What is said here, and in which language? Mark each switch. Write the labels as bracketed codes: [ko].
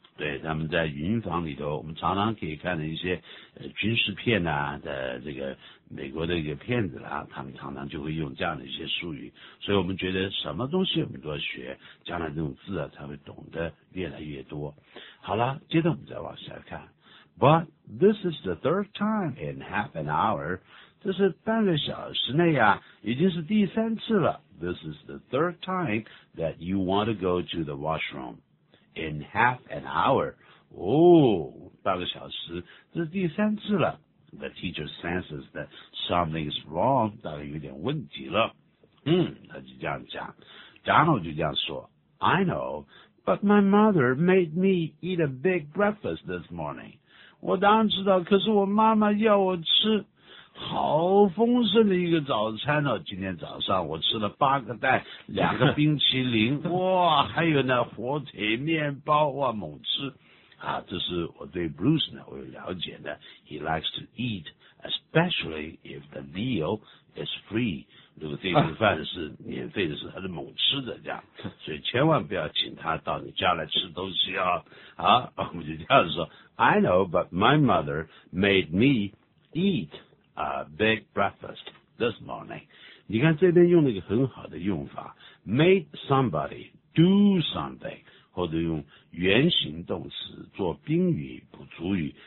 [zh] 对，他们在云房里头，我们常常可以看到一些军事片啊的这个美国的一个片子啦，他们常常就会用这样的一些术语，所以我们觉得什么东西我们都要学，将来这种字啊才会懂得越来越多。好啦，接着我们再往下看。 [en] But this is the third time in half an hour. [zh] 这是半个小时内啊，已经是第三次了。 [en] This is the third time that you want to go to the washroom. In half an hour. [zh] 哦，半个小时，这是第三次了。 [en] The teacher senses that something is wrong. [zh] 大概有点问题了。他就这样讲。Donald 就这样说。 [en] I know, but my mother made me eat a big breakfast this morning. [zh] 我当然知道，可是我妈妈要我吃好丰盛的一个早餐哦，今天早上我吃了八个蛋，两个冰淇淋，哇，还有那火腿面包，哇，猛吃。啊，这是我对 Bruce 呢，我有了解的。 [en] He likes to eat, especially if the meal is free. [zh] 如果这顿饭是免费的，是他的猛吃的这样。所以千万不要请他到你家来吃东西啊。啊，我们就这样说。 [en] I know, but my mother made me eat. A big breakfast this morning. [zh] 你看这边用了一个很好的用法 ， [en] made somebody do something， [zh] 或者用原形动词做宾语补足语。